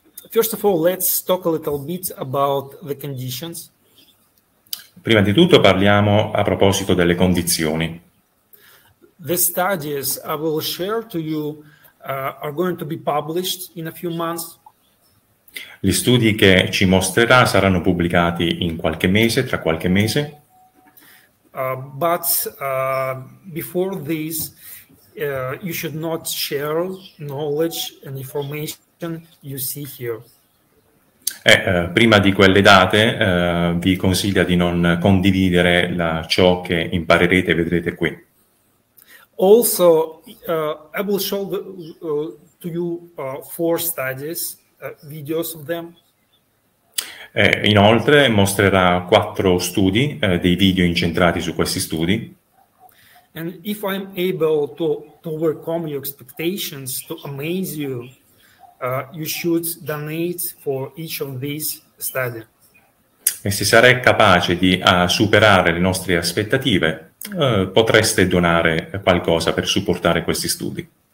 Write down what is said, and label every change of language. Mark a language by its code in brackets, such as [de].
[en] First of all, let's talk a little bit about the conditions. [it] Prima di tutto parliamo a proposito delle condizioni. [en] The studies I will share to you are going to be published in a few months. [it] Gli studi che ci mostrerà saranno pubblicati tra qualche mese. [en] But before this, you should not share knowledge and information you see here. [it] Prima di quelle date, vi consiglio di non condividere ciò che imparerete e vedrete qui. [en] Also, I will show to you four studies, videos of them. [it] Inoltre mostrerà quattro studi, dei video incentrati su questi studi. [en] And if I'm able to overcome your expectations, to amaze you, you should donate for each of these study. [it] E se sarei capace di superare le nostre aspettative, potreste donare qualcosa per supportare questi studi.